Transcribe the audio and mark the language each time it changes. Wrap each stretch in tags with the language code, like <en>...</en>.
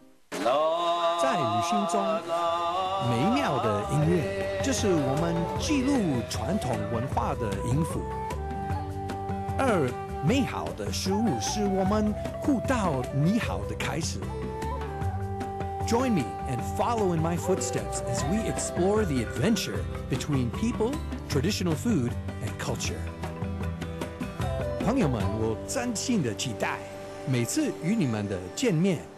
<zh>在旅行中，美妙的音乐就是我们记录传统文化的音符。二，美好的食物是我们互道你好的开始。</zh> <en>Join me and follow in my footsteps as we explore the adventure between people, traditional food, and culture.</en> <zh>朋友们，我真心的期待每次与你们的见面。</zh>